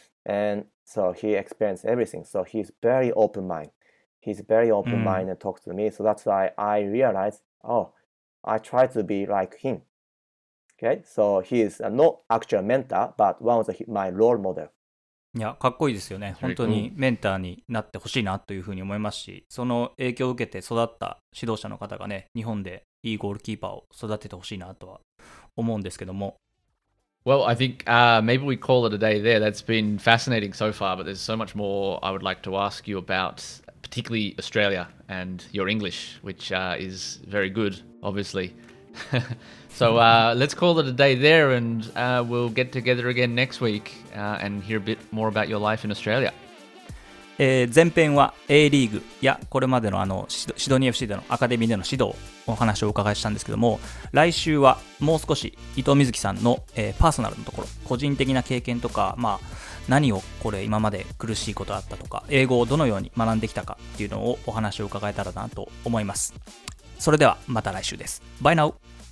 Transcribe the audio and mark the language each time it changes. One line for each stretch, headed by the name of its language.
English: And so he experienced everything. So he's very open mind. He's very open mind and talks to me. So that's why I realized, oh, I try to be like him. Okay. So he is not actual mentor, but one of the, my role model.
Japanese: いや、かっこいいですよね。本当にメンターになってほしいなというふうに思いますし、その影響を受けて育った指導者の方がね、日本でいいゴールキーパーを育ててほしいなとは思うんですけども。
English: Well, I think maybe we call it a day there. That's been fascinating so far, but there's so much more I would like to ask you about, particularly Australia and your English, which is very good, obviously. So let's call it a day there and we'll get together again next week and hear a bit more about your life in Australia.
Japanese: 前編は A リーグやこれまでの あのシドニー FC でのアカデミーでの指導お話をお伺いしたんですけども、来週はもう少し伊藤瑞希さんの、パーソナルのところ、個人的な経験とか、まあ、何をこれ今まで苦しいことあったとか、英語をどのように学んできたかっていうのをお話を伺えたらなと思います。それではまた来週です。
English: Bye now!